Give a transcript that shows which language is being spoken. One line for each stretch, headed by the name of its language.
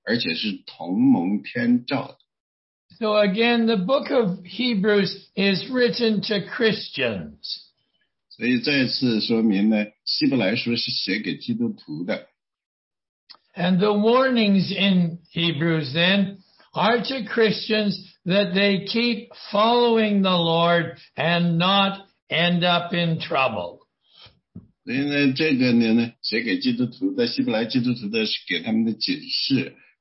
Chinese: 所以呢，这里讲到的呢，非常有趣的。他称这些为希伯来的弟兄们为圣洁的弟兄，而且是同蒙天召的。
English: So again, the book of Hebrews is written to Christians.
Chinese: 所以再次说明呢，希伯来书是写给基督徒的。
English: And the warnings in Hebrews then are to Christians that they keep following the Lord and not end up in trouble.
Chinese: 所以呢，这个呢，写给基督徒的希伯来基督徒的是给他们的警示。